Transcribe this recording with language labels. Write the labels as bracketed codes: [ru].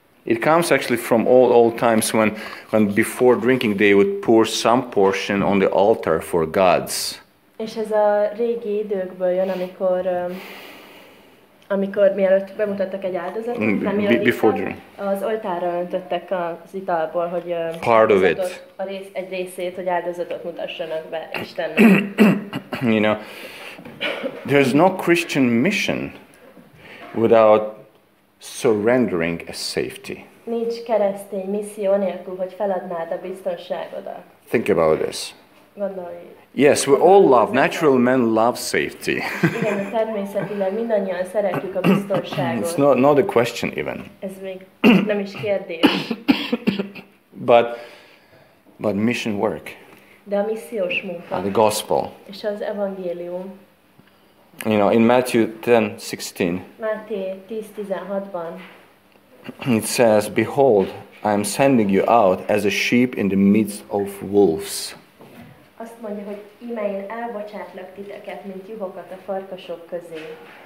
[en] It comes actually from old times when before drinking they would pour some portion on the altar for gods. [hu] És ez a régi időkből jön, amikor mielőtt bemutattak egy áldozatot, az oltárra öntöttek az italból, hogy [en] part of it. [hu] Egy részét, hogy áldozatot mutassanak be Istennek. [en] You know, there's no Christian mission without surrendering a safety. [hu] Nincs keresztény misszió nélkül, hogy feladnád a biztonságodat. [en] Think about this. [hu] Gondolj. [en] Yes, we all love, natural men love safety. [hu] Igen, természetileg mindannyian szeretjük a biztonságot. [en] It's not a question even. [hu] Ez még nem is kérdés. [en] But mission work. [hu] De a missziós munka. [en] And the gospel. [hu] És az evangélium. [en] You know, in Matthew 10:16. [hu] Máté 10:16-ban. [en] It says, "Behold, I am sending you out as a sheep in the midst of wolves." [hu] Azt mondja, hogy íme én elbocsátlak titeket, mint juhokat a farkasok közé.